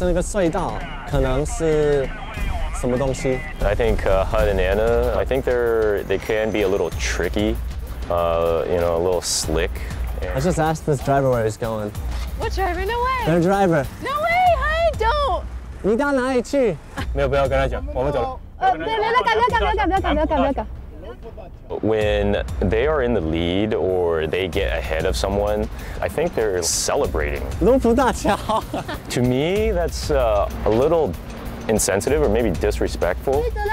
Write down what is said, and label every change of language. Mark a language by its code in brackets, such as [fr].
[zh] 在浦东跟黄这个卢湾地区中间有没有一个很长的一个可能是一个桥，可能是那个隧道，可能是什么东西？ [en] I think Hud and Anna, I think they can be a little tricky, a little slick. I just asked this driver where he's going. What driver? No way. Their driver. No way, Hud, don't. [zh] 你到哪里去? 没有，不要跟他讲，我们走了。别，不要赶。 [en] When they are in the lead or they get ahead of someone, I think they're celebrating. To me, that's a little insensitive or maybe disrespectful.